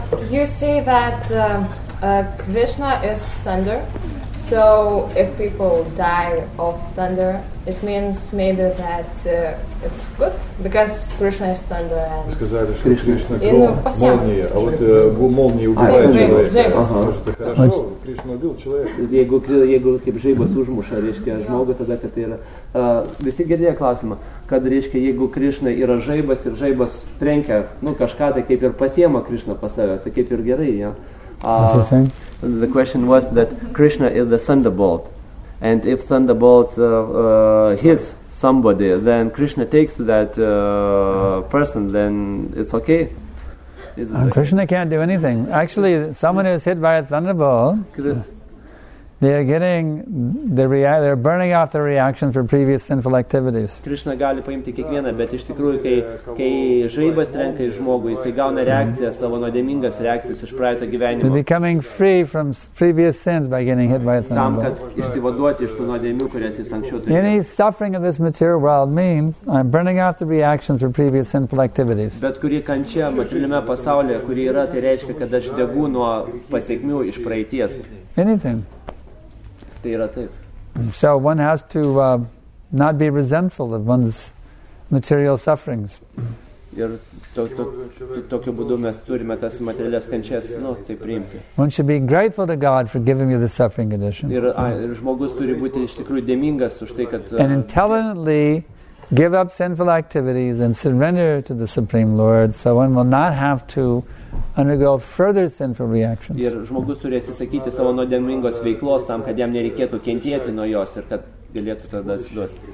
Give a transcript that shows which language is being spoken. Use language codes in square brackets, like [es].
[en] You say that Krishna is thunder, so if people die of thunder, it means maybe that it's good because Krishna is thunder and. [ru] Сказали, что Кришна молния, а вот молния убивает человека. Это хорошо. Кришна убил человека. Если жаба сужмуша, речка жмога, тогда это и. [lt] Visi girdėjo klausimą, kad reiškia, jeigu Krišna yra žaibas ir žaibas trenkia, nu kažką, tai kaip ir pasiema Krišna pas save, tai kaip ir gerai, jo. [en] The question was that Krishna is the thunderbolt, and if thunderbolt hits somebody, then Krishna takes that person, then it's okay. Krishna can't do anything. Actually, someone who's hit by a thunderbolt... They're burning off the reaction from previous sinful activities. [lt] Krishna gali paimti kiekvieną, bet iš tikrųjų, kai žaibas trenka į žmogų, jisai gauna reakciją, savo nuodėmingas reakcijas iš praeito gyvenimo. [en] They're becoming free from previous sins by getting hit by a thunderbolt. [lt] Tam, kad išsivaduoti iš tų nuodėmių, kurias jis anksčiau turi. [en] Any suffering of this material world means I'm burning off the reaction from previous sinful activities. [lt] Bet kuri kančia materialiame pasaulyje, kuri yra, tai reiškia, kad aš degu nuo pasekmių iš praeities. [en] Anything. So one has to not be resentful of one's material sufferings. [lt] Ir tokiu būdu mes turime tas materialias kančias, nu, tai priimti. [en] One should be grateful to God for giving you the suffering condition. [lt] Ir žmogus turi būti iš tikrųjų dėmingas už tai, kad... [en] And intelligently give up sinful activities and surrender to the Supreme Lord, so one will not have to undergo further sinful reactions. [lt] Ir žmogus turi atsisakyti savo nuodėmingos veiklos tam, kad jam nereikėtų kentėti nuo jos ir kad galėtų tada atsiduoti.